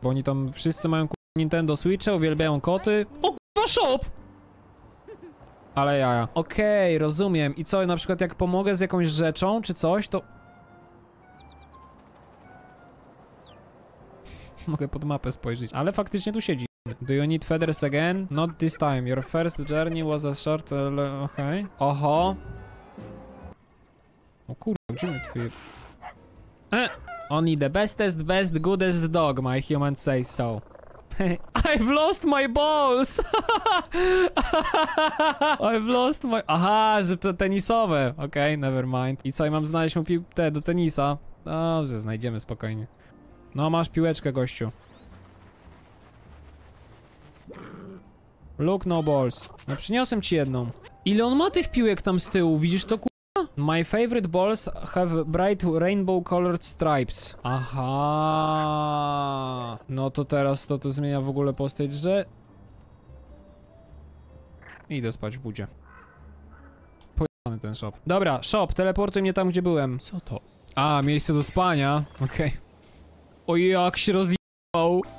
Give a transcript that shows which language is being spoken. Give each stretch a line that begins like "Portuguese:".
Polish: Bo oni tam wszyscy mają k***a Nintendo Switcha, uwielbiają koty. O k***a shop! Ale jaja. Okej, rozumiem. I co, na przykład jak pomogę z jakąś rzeczą, czy coś, to... Mogę pod mapę spojrzeć, ale faktycznie tu siedzi.
English: Do you need feathers again? Not this time. Your first journey was a short...
Polish: Okej. Oho. O kurwa, gdzie mi twój...
English: Only the bestest, best, goodest dog, my human says so. I've lost my balls! I've lost my...
Polish: Aha, że to tenisowe. Okej,
English: okay, never mind.
Polish: I co, i mam znaleźć mu piłkę do tenisa? Dobrze, znajdziemy spokojnie. No, masz piłeczkę, gościu.
English: Look, no balls.
Polish: No, przyniosłem ci jedną. Ile on ma tych piłek tam z tyłu? Widzisz to, k***a?
English: My favorite balls have bright rainbow colored stripes.
Polish: Aha. No to teraz to tu zmienia w ogóle postać, że... Idę spać w budzie. Pojebany ten shop. Dobra, shop, teleportuj mnie tam, gdzie byłem. Co to? A, miejsce do spania. Okej. Okay. O jak się rozjebał!